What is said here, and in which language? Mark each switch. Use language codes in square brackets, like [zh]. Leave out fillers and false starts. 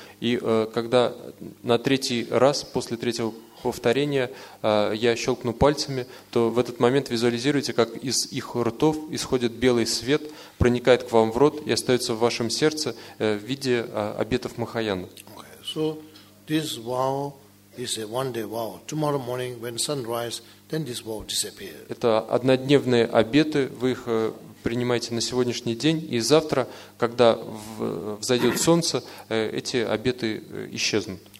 [ru] И когда на [en] 3rd time, [ru] после 3-го повторения, я щелкну пальцами, то в этот момент визуализируйте, как из их ртов исходит белый свет, проникает к вам в рот и остается в вашем сердце в виде обетов Махаяны. [en] Okay. So this vow is a one day vow. Tomorrow morning when sunrise, then this vow disappears. [ru] Это однодневные обеты, вы их принимаете на сегодняшний день, и завтра, когда взойдет солнце, эти обеты исчезнут.